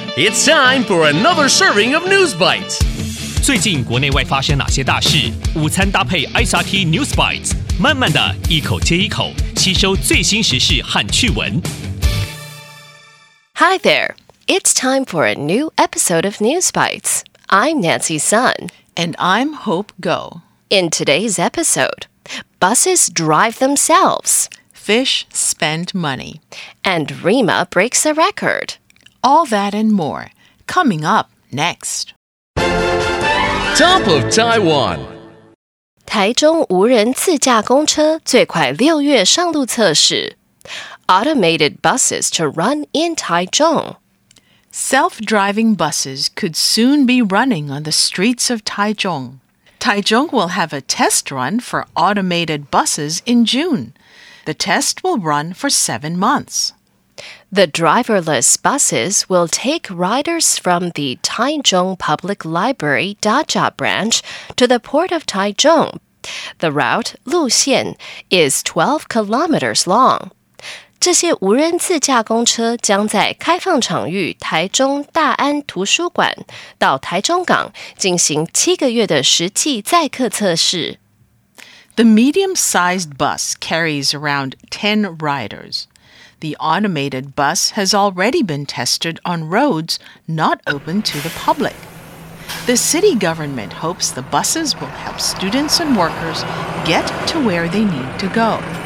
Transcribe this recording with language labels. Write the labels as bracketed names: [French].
[English] It's time for another serving of News Bites. [Chinese] 最近国内外发生哪些大事？午餐搭配 SRT News Bites， 慢慢的一口接一口，吸收最新时事和趣闻。 [English] Hi there. It's time for a new episode of News Bites. I'm Nancy Sun. And I'm Hope Go. In today's episode, buses drive themselves. Fish spend money. And Rema breaks a record. All that and more, coming up next. Top of Taiwan. [Chinese] 台中无人自驾公车最快六月上路测试。 [English] Automated buses to run in Taichung. Self-driving buses could soon be running on the streets of Taichung. Taichung will have a test run for automated buses in June. The test will run for 7 months. The driverless buses will take riders from the Taichung Public Library Daja branch to the port of Taichung. The route, 路线, is 12 kilometers long. [Chinese] 这些无人自驾公车将在开放场域台中大安图书馆到台中港进行七个月的实际载客测试。 [English] The medium-sized bus carries around 10 riders. The automated bus has already been tested on roads not open to the public. The city government hopes the buses will help students and workers get to where they need to go.